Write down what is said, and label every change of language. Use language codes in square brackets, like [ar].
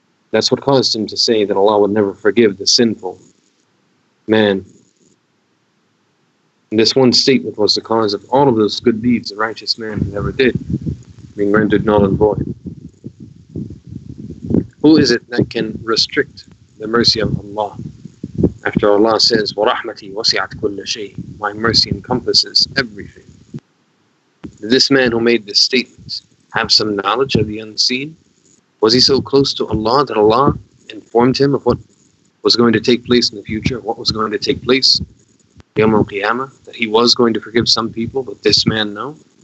[en] That's what caused him to say that Allah would never forgive the sinful man. And this one statement was the cause of all of those good deeds a righteous man never did, being rendered null and void. Who is it that can restrict the mercy of Allah? After Allah says, [ar] وَرَحْمَتِي وَسِعَتْ كُلَّ شَيْءٍ. [en] My mercy encompasses everything. Did this man who made this statement have some knowledge of the unseen? Was he so close to Allah that Allah informed him of what was going to take place in the future, what was going to take place? Yawm al-Qiyamah, that he was going to forgive some people, but this man, no?